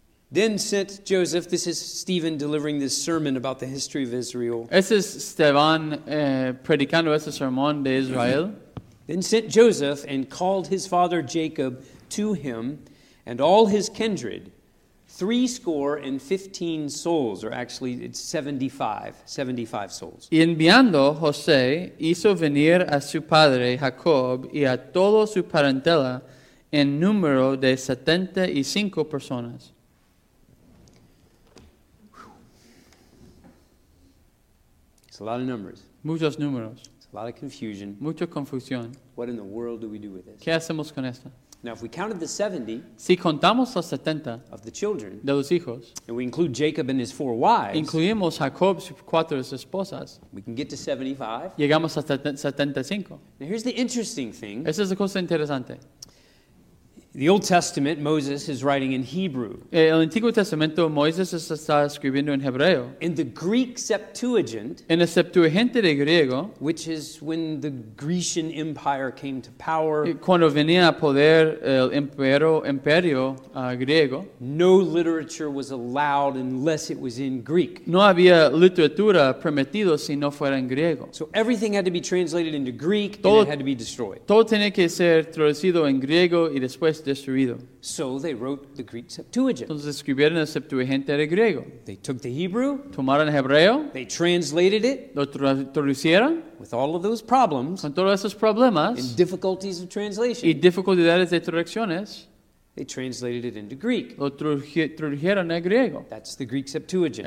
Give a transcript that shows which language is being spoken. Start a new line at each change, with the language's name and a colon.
English: then sent Joseph, this is Stephen delivering this sermon about the history of Israel.
Spanish: Ese es Esteban predicando ese sermón de Israel.
English: Then sent Joseph and called his father Jacob to him and all his kindred, 75 souls, or actually it's 75 souls.
Spanish: Y enviando José hizo venir a su padre Jacob y a todo su parentela en número de 75 personas.
English: It's a lot of numbers.
Spanish: Muchos números.
English: It's a lot of confusion.
Spanish: Mucha confusión.
English: What in the world do we do with this?
Spanish: ¿Qué hacemos con esto?
English: Now, if we counted the 70,
Spanish: si contamos los 70
English: of the children,
Spanish: de los hijos,
English: and we include Jacob and his four wives,
Spanish: incluimos Jacob y cuatro esposas,
English: we can get to 75.
Spanish: Llegamos a 75.
English: Now, here's the interesting thing.
Spanish: Esa es la cosa interesante.
English: The Old Testament, Moses is writing in Hebrew.
Spanish: El Antiguo Testamento, Moisés está escribiendo en hebreo.
English: In the Greek Septuagint,
Spanish: en el Septuagente de griego,
English: which is when the Grecian Empire came to power,
Spanish: cuando venía a poder el imperio griego,
English: no literature was allowed unless it was in Greek.
Spanish: No había literatura permitido si no fuera en griego.
English: So everything had to be translated into Greek,
Spanish: todo,
English: and it had to be destroyed.
Spanish: Todo tenía que ser traducido en griego y después destruido.
English: So they wrote the Greek Septuagint.
Spanish: Entonces escribieron el Septuagente de griego.
English: They took the Hebrew.
Spanish: Tomaron el hebreo.
English: They translated it.
Spanish: Lo traducieron.
English: With all of those problems.
Spanish: Con todos esos problemas.
English: And difficulties of translation.
Spanish: Y dificultades de traducciones.
English: They translated it into Greek.
Spanish: Lo tradujeron a griego.
English: That's the Greek Septuagint.